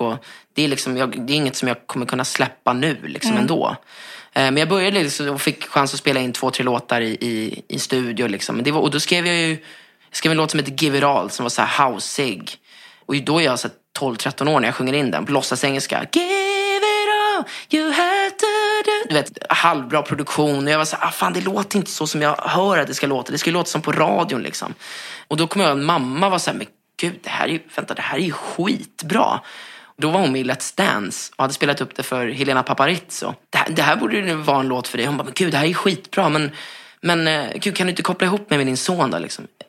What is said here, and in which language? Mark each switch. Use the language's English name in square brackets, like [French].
[Swedish] Och det är liksom, det är inget som jag kommer kunna släppa nu liksom ändå. Men jag började liksom och fick chans att spela in 2-3 låtar i studio. Liksom. Men det var, och då skrev en låt som heter Give It All, som var så här housig. Och då är jag så 12-13 år när jag sjunger in den på låtsas engelska. [English] Give it all, you have to do. [Swedish] Du vet, halvbra produktion. Och jag var så här, ah, fan, det låter inte så som jag hör att det ska låta. Det ska låta som på radion liksom. Och då kom jag och mamma var så här, men gud, det här är ju skitbra. Då var hon med i Let's Dance och hade spelat upp det för Helena Paparizzo. Det här borde ju vara en låt för dig. Hon bara, men gud, det här är skitbra. Men gud, kan du inte koppla ihop mig med din son då? Liksom?